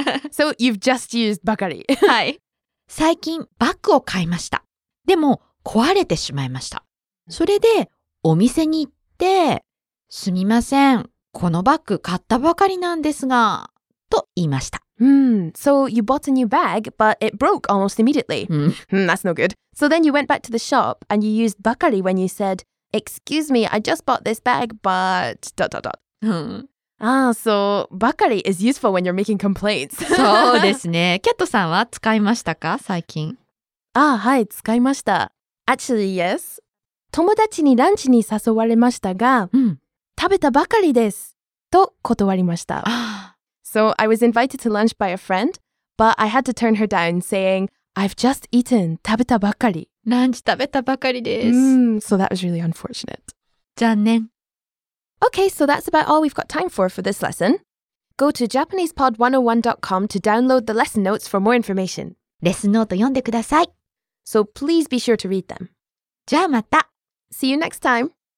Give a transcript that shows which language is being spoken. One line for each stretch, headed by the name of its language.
English: So, you've just used ばかり。
Japanese: はい。最近、バッグを買いました。でも、壊れてしまいました。それで、お店に行って、すみません、このバッグ買ったばかりなんですが、と言いました。
English: So, you bought a new bag, but it broke almost immediately. That's no good. So then you went back to the shop and you used ばかり when you said, excuse me, I just bought this bag, but... dot, dot, dot. So, bakari is useful when you're making complaints.
Japanese: そうですね。キャットさんは使いましたか、最近。ああ、はい、使いました。
English: Actually, yes.
Japanese: 友達にランチに誘われましたが、食べたばかりです。と断りました。
English: So, I was invited to lunch by a friend, but I had to turn her down saying, I've just eaten,
Japanese: 食べたばかり。ランチ食べたばかりです。
English: So, that was really unfortunate.
Japanese: 残念。
English: Okay, so that's about all we've got time for this lesson. Go to JapanesePod101.com to download the lesson notes for more information.
Japanese: レッスンノート読んでください。
English: So please be sure to read them.
Japanese: じゃあまた。
English: See you next time.